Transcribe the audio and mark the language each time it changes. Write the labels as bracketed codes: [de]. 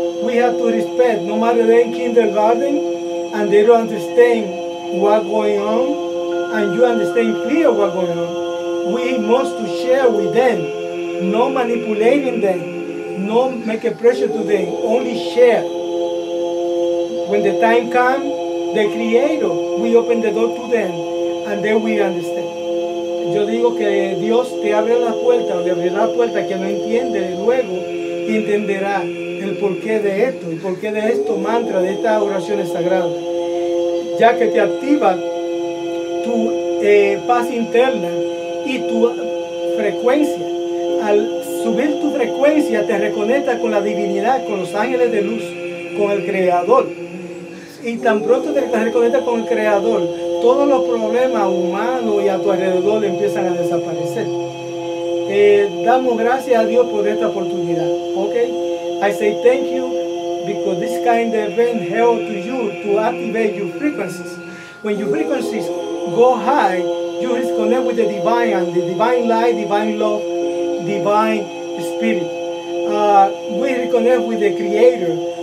[en] We have to respect, no matter they're in kindergarten and they don't understand what's going on, and you understand clear what's going on. We must to share with them, no manipulating them, no make a pressure to them, only share. When the time comes, the Creator, we open the door to them, and then we understand. [es] Yo digo que Dios te abre la puerta, o le abre la puerta que no entiende, luego entenderá el porqué de esto, el porqué de esto mantra, de estas oraciones sagradas. Ya que te activa tu paz interna y tu frecuencia. Al subir tu frecuencia, te reconecta con la divinidad, con los ángeles de luz, con el Creador. Y tan pronto te reconectas con el Creador, todos los problemas humanos y a tu alrededor empiezan a desaparecer. Damos gracias a Dios por esta oportunidad. ¿Okay? [en] I say thank you because this kind of event helps to you to activate your frequencies. When your frequencies go high, you reconnect with the divine and the divine light, divine love, divine spirit. We reconnect with the creator.